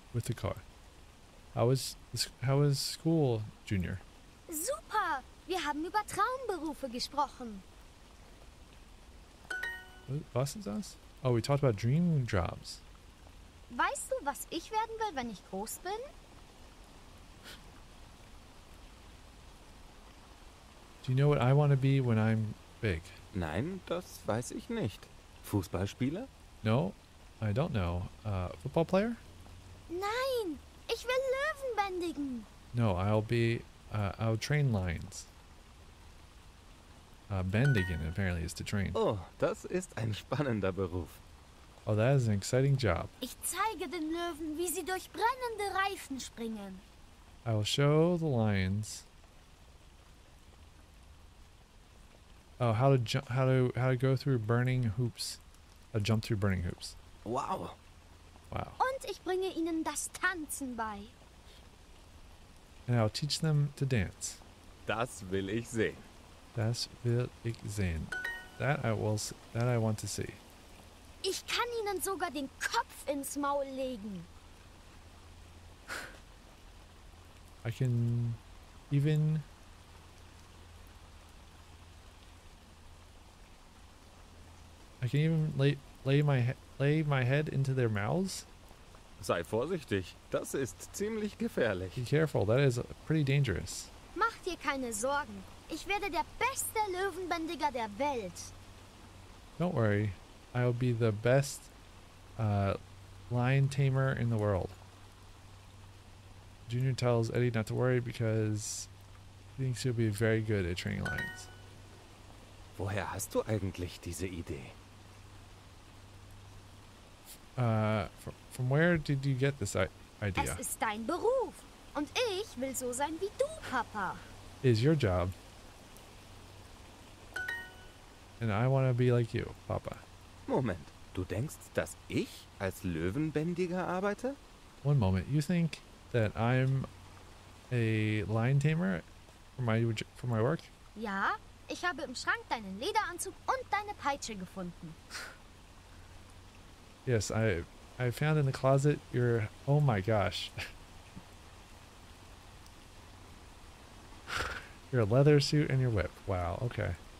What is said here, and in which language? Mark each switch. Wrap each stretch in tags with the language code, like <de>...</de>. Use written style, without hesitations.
<en>With the car. How was school, Junior?</en> <de>Super! Wir haben über Traumberufe gesprochen. Was ist das?</de> <en>Oh, we talked about dream jobs.</en> <de>Weißt du, was ich werden will, wenn ich groß bin?</de> <en>Do you know what I want to be when I'm big?</en> <de>Nein, das weiß ich nicht. Fußballspieler?</de> <en>No, I don't know. Football player?</en> <de>Nein, ich will Löwen bändigen.</de> <en>No, I'll train lions. Bändigen, apparently, is to train.</en> <de>Oh, das ist ein spannender Beruf.</de> <en>Oh, that is an exciting job.</en> <de>Ich zeige den Löwen, wie sie durch brennende Reifen springen.</de> <en>I will show the lions. Oh, how to go through burning hoops. Jump through burning hoops. Wow. Wow.</en> <de>Und ich bringe ihnen das Tanzen bei.</de> <en>And I'll teach them to dance.</en> <de>Das will ich sehen. Das will ich sehen.</de> <en>That I want to see.</en> <de>Ich kann ihnen sogar den Kopf ins Maul legen.</de> <en>I can even lay my head into their mouths.</en> <de>Sei vorsichtig, das ist ziemlich gefährlich.</de> <en>Be careful, that is pretty dangerous.</en> <de>Mach dir keine Sorgen. Ich werde der beste Löwenbändiger der Welt.</de> <en>Don't worry. I'll be the best lion tamer in the world. Junior tells Eddie not to worry because he thinks he'll be very good at training lions.</en> <de>Woher hast du eigentlich diese Idee?</de> <en>From where did you get this idea?</en> <de>Es ist dein Beruf. Und ich will so sein wie du, Papa.</de> <en>It is your job. And I want to be like you, Papa.</en> <de>Moment, du denkst, dass ich als Löwenbändiger arbeite?</de> <en>One moment, you think that I'm a lion tamer for my work?</en> <de>Ja, ich habe im Schrank deinen Lederanzug und deine Peitsche gefunden.</de> <en>Yes, I found in the closet your... Oh my gosh. Your leather suit and your whip. Wow, okay.</en>